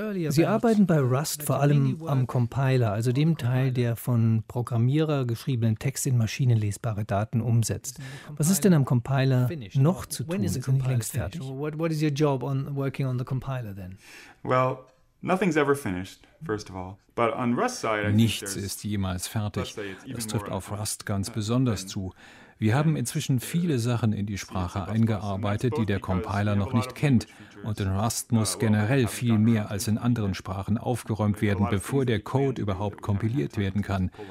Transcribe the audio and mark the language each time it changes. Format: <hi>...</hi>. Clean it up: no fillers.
<de>Sie arbeiten bei Rust vor allem am Compiler, also dem Teil, der von Programmierer geschriebenen Text in maschinenlesbare Daten umsetzt. Was ist denn am Compiler noch zu tun? Ist er nicht längst fertig?</de> <en>What is your job on working on the compiler then? Well, nothing's ever finished, first of all. But on Rust's side,</en> <de>nichts ist jemals fertig. Das trifft auf Rust ganz besonders zu. Wir haben inzwischen viele Sachen in die Sprache eingearbeitet, die der Compiler noch nicht kennt. Und in Rust muss generell viel mehr als in anderen Sprachen aufgeräumt werden, bevor der Code überhaupt kompiliert werden kann.</de>